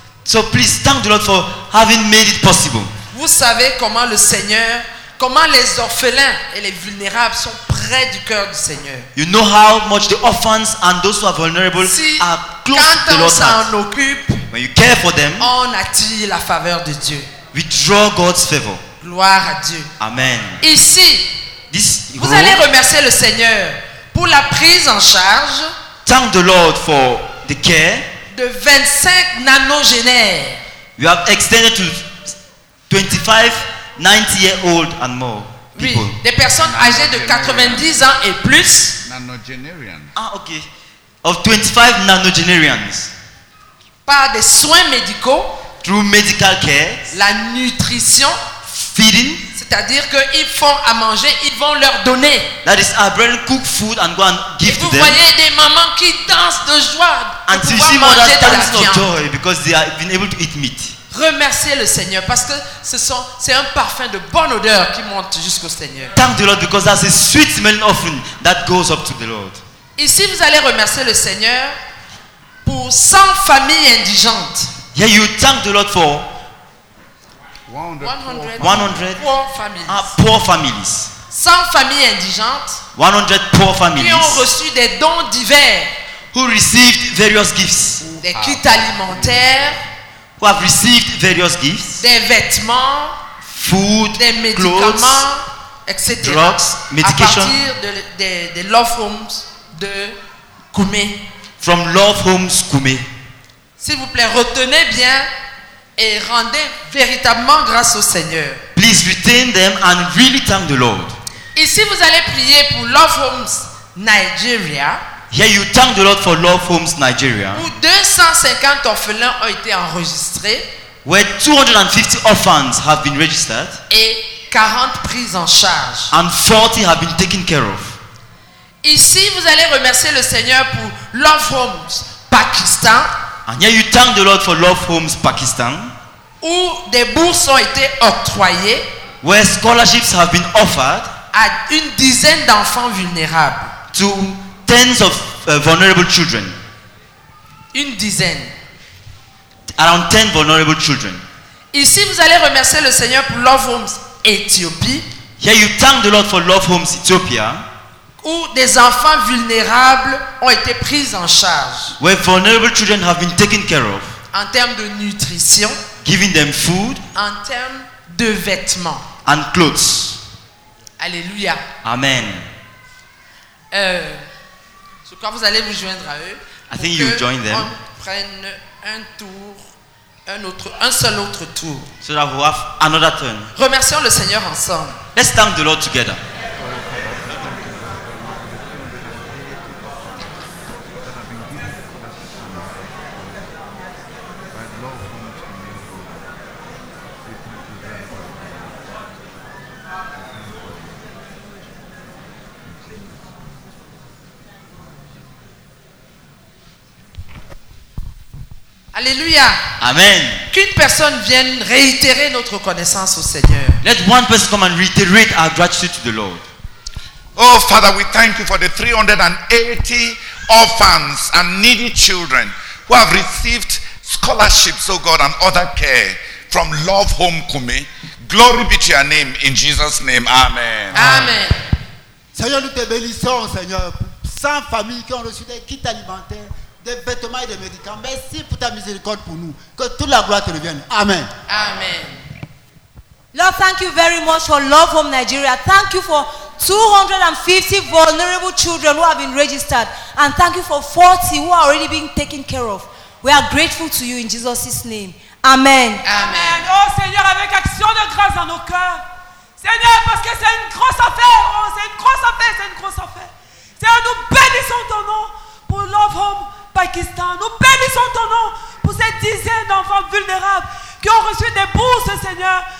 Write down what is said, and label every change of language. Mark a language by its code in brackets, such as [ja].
[en] So please thank the Lord for having made it possible. [fr] Vous savez comment le Seigneur, comment les orphelins et les vulnérables sont près du cœur du Seigneur. [en] You know how much the orphans and those who are vulnerable [fr] si [en] are close to the Lord. [fr] Quand on s'en occupe, [en] when you care for them, [fr] on attire la faveur de Dieu. [en] We draw God's favor. [fr] Gloire à Dieu. Amen. Ici, [en] this [fr] vous allez remercier le Seigneur pour la prise en charge. [en] Thank the Lord for the care. [fr] De 25 nanogénaires. [en] We have extended to 25, 90-year-old and more. [fr] Oui, des personnes âgées de 90 ans et plus. [en] Nanogenarians. Ah, ok. Of 25 nanogenarians. [fr] Par des soins médicaux. [en] Through medical care. [fr] La nutrition. [en] Feeding. [fr] C'est-à-dire qu'ils font à manger, ils vont leur donner. [en] That is, our brethren cook food and go and give to them. [fr] Et vous voyez des mamans qui dansent de joie. [en] And you see mothers dancing of joy because they have been able to eat meat. [fr] Remerciez le Seigneur parce que c'est un parfum de bonne odeur qui monte jusqu'au Seigneur. [en] Thank the Lord because that's a sweet smelling offering that goes up to the Lord. [fr] Ici, vous allez remercier le Seigneur pour 100 familles indigentes. [en] Yeah, you thank the Lord for 100 poor families. [fr] 100 familles indigentes. [en] 100 poor families. [fr] Qui ont reçu des dons divers. [en] Who received various gifts. [fr] Des kits alimentaires. [en] Who have received various gifts, [fr] des vêtements, [en] food, [fr] des médicaments, [en] clothes, [fr] etc. [en] Drugs, medication. [fr] À partir de Love Homes de Koumé. [en] From Love Homes Koumé. [fr] S'il vous plaît, retenez bien et rendez véritablement grâce au Seigneur. [en] Please retain them and really thank the Lord. [fr] Ici, vous allez prier pour Love Homes Nigeria. [en] Here you thank the Lord for Love Homes Nigeria. [fr] Où 250 orphelins ont été enregistrés. [en] Where 250 orphans have been registered. [fr] Et 40 prises en charge. [en] And 40 have been taken care of. [fr] Ici, vous allez remercier le Seigneur pour Love Homes Pakistan. [en] And here you thank the Lord for Love Homes Pakistan. [fr] Où des bourses ont été octroyées. [en] Where scholarships have been offered. [fr] À une dizaine d'enfants vulnérables. [en] To tens of vulnerable children. [fr] Une dizaine. [en] Around 10 vulnerable children. [fr] Ici, vous allez remercier le Seigneur pour Love Homes Ethiopie. [en] Here you thank the Lord for Love Homes Ethiopia. [fr] Où des enfants vulnérables ont été pris en charge. [en] Where vulnerable children have been taken care of. [fr] En termes de nutrition. [en] Giving them food. [fr] En termes de vêtements. [en] And clothes. [fr] Alléluia. Amen. Sur quoi vous allez vous joindre à eux. [en] I think you join them. [fr] Pour qu'on prenne un tour, un seul autre tour. [en] So that we have another turn. [fr] Remercions le Seigneur ensemble. [en] Let's thank the Lord together. [fr] Alléluia. Amen. Qu'une personne vienne réitérer notre reconnaissance au Seigneur. [en] Let one person come and reiterate our gratitude to the Lord. Oh Father, we thank you for the 380 orphans and needy children who have received scholarships, oh God, and other care from Love Home Kume. Glory be to your name in Jesus' name. Amen. Amen. [fr] Seigneur, nous te bénissons, Seigneur, sans famille qui ont reçu des kits alimentaires. Des vêtements et des médicaments. Merci pour ta miséricorde pour nous. Que toute la gloire te revienne. Amen. Amen. [en] Lord, thank you very much for Love Home Nigeria. Thank you for 250 vulnerable children who have been registered. And thank you for 40 who are already being taken care of. We are grateful to you in Jesus' name. Amen. Amen. [fr] Oh Seigneur, avec action de grâce dans nos cœurs. Seigneur, parce que c'est une grosse affaire. Oh, c'est une grosse affaire. C'est une grosse affaire. Seigneur, nous bénissons ton nom pour Love Home Pakistan. Nous bénissons ton nom pour ces dizaines d'enfants vulnérables qui ont reçu des bourses, Seigneur.